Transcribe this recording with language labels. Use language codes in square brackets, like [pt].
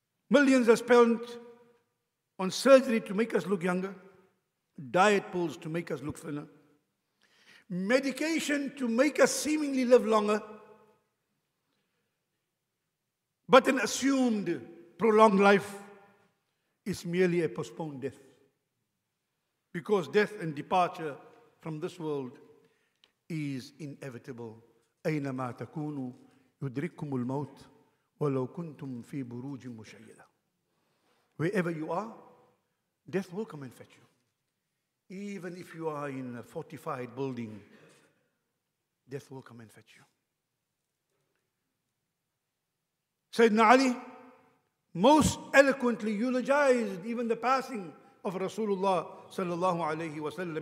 [en] Millions are spent on surgery to make us look younger, diet pills to make us look thinner, medication to make us seemingly live longer, but an assumed prolonged life is merely a postponed death. Because death and departure from this world is inevitable. [ar] أينما تكونوا يدرككم الموت ولو كنتم في بروج مشيدة. [en] Wherever you are, death will come and fetch you. Even if you are in a fortified building, death will come and fetch you. Sayyidina Ali most eloquently eulogized even the passing of Rasulullah sallallahu alayhi wa sallam.